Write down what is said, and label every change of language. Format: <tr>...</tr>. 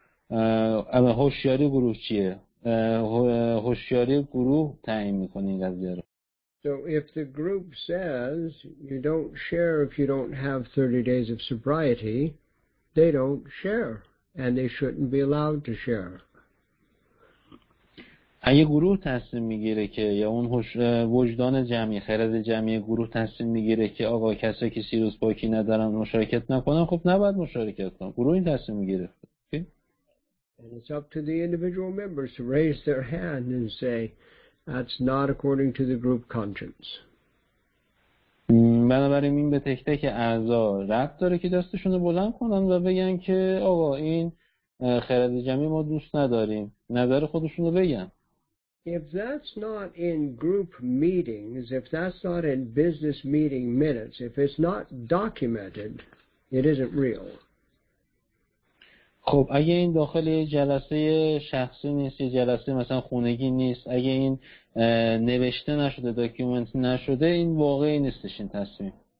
<fa>اما هوشیاری گروه چیه؟ هوشیاری گروه تعیین میکنه این قضیه رو.</fa> <en>So if the group says you don't share if you don't have 30 days of sobriety, they don't share and they shouldn't be allowed to share.</en> <fa>اگه گروه تصمیم میگیره که یا اون وجدان جمعی، خرد جمعی گروه تصمیم میگیره که آقا کسایی که سیروس پاکی ندارن مشارکت نکنن، خب نباید مشارکت کنن. گروه این تصمیم میگیره.</fa> <en>And it's up to the individual members to raise their hand and say that's not according to the group conscience.</en> <fa>بنابراین این به تک تک اعضا ربط داره که دستشون رو بلند کنن و بگن که آقا این خرد جمعی ما دوست نداریم، نظر خودشون رو بگن.</fa> <en>If that's not in group meetings, if that's not in business meeting minutes, if it's not documented, it isn't real.</en> <fa>خب اگه این داخل جلسه شخصی نیست، جلسه مثلا خونگی نیست، اگه این نوشته نشده، داکیومنت نشده، این واقعی نیستش این تصمیم.</fa>